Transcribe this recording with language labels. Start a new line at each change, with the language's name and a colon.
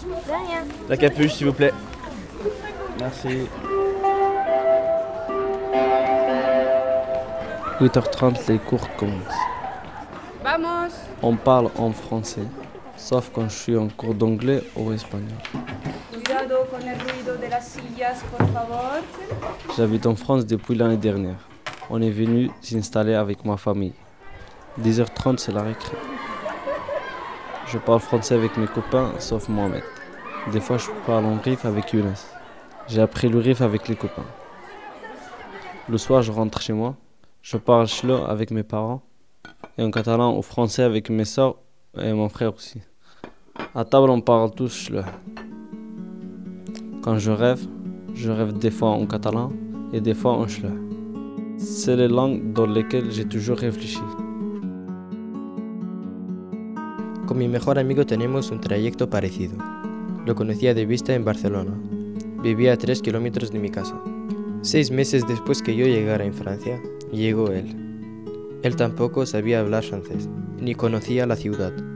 French: De rien. La capuche, s'il vous plaît. Merci. 8h30, les cours commencent.
Spanish: Vamos.
French: On parle en français, sauf quand je suis en cours d'anglais ou espagnol.
Spanish: Cuidado con el ruido de las sillas, por favor.
French: J'habite en France depuis l'année dernière. On est venu s'installer avec ma famille. 10h30, c'est la récré. Je parle français avec mes copains, sauf Mohamed. Des fois, je parle en riff avec Younes. J'ai appris le riff avec les copains. Le soir, je rentre chez moi. Je parle chlo avec mes parents. Et en catalan ou français avec mes soeurs et mon frère aussi. À table, on parle tous chlo. Quand je rêve des fois en catalan et des fois en chlo. C'est les langues dans lesquelles j'ai toujours réfléchi.
Spanish: Con mi mejor amigo tenemos un trayecto parecido. Lo conocía de vista en Barcelona. Vivía a 3 kilómetros de mi casa. 6 meses después que yo llegara en Francia, llegó él. Él tampoco sabía hablar francés, ni conocía la ciudad.